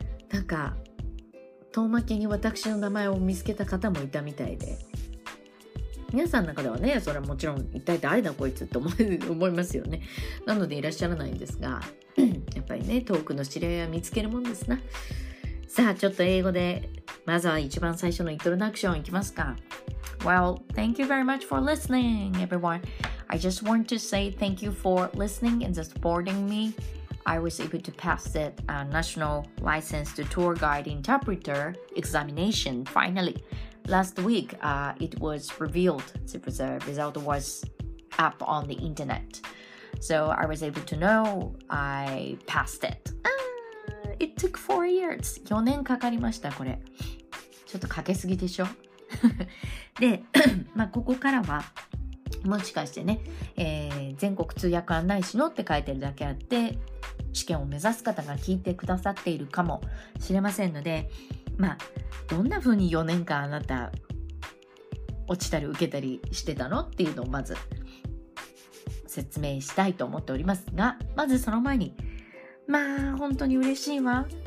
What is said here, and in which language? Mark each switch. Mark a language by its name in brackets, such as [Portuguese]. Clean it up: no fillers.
[Japanese] なんか遠巻きに私の名前を見つけた方もいたみたいで、皆さんの中ではね、それはもちろん一体誰だこいつって思いますよね。なのでいらっしゃらないんですが、やっぱりね、遠くの知り合いは見つけるもんですな。さあちょっと英語でまずは一番最初のイントロダクションいきますか。 [English] Well, thank you very much for listening, everyone. I just want to say thank you for listening and supporting me. I was able to pass the national license to tour guide interpreter examination finally. Last week, it was revealed that the result was up on the internet. So I was able to know I passed it. It took 4 years. [Japanese] 4年かかりましたこれ。ちょっとかけすぎでしょ。で、まあここからはもしかしてね、全国通訳案内士のって書いてるだけあって、試験を目指す方が聞いてくださっているかもしれませんので、まあ、どんな風に4年間あなた落ちたり受けたりしてたのっていうのをまず説明したいと思っておりますが、まずその前に、まあ本当に嬉しいわ。